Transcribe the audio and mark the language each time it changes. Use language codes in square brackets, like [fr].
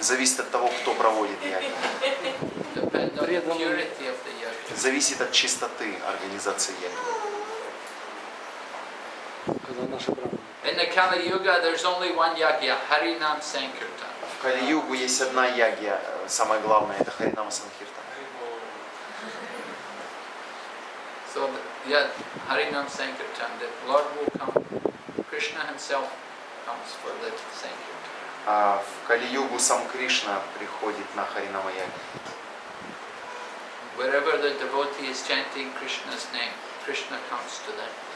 [ru] Зависит от того, кто проводит Yagas. [en] Depend on the purity of the Yagas. [ru] Зависит от чистоты организации Yagas. [en] In the Kali Yuga, there's only one Yagya, Harinam Sankirtan. [ru] В Кали Югу есть одна Ягья, самое главное, это Харинама Санкиртан. [en] So, yeah, Харинам Санкиртан, the Lord will come, Krishna himself comes for the Sankirtan. [ru] А в Кали Югу сам Кришна приходит на Харинама Ягья. [en] Wherever the devotee is chanting Krishna's name, Krishna comes to that.